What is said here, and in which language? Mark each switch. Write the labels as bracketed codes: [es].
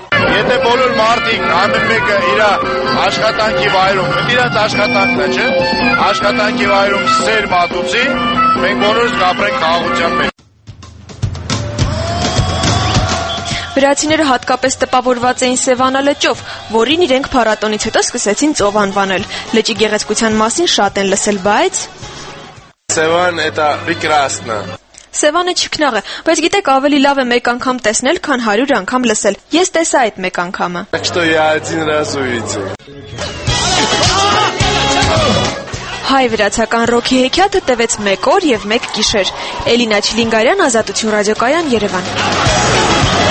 [hy] Եթե բոլոր մարդիկ ամեն մեկը իր աշխատանքի վայրում, իրաց աշխատանքն է, չէ՞, աշխատանքի վայրում սեր մատուցի, մենք բոլորս կապրենք խաղաղության մեջ։ Վրացիները հատկապես տպավորված էին Սևանա լճով, որին իրենք փառատոնից հետո սկսեցին ծով անվանել։ Լճի գեղեցկության մասին շատ են լսել, բայց [ru] Սևան это прекрасно. [hy] Սևանը չքնաղ է, բայց գիտեք, ավելի լավ է մեկ անգամ տեսնել, քան 100 անգամ լսել։ Ես տեսա այդ մեկ անգամը։ [ru] Что я один раз увидел. [hy] Հայ վրացական ռոքի հեքիաթը տևեց 1 օր եւ 1 գիշեր։ Էլինա Չլինգարյան, Ազատություն ռադիոկայան, Երևան։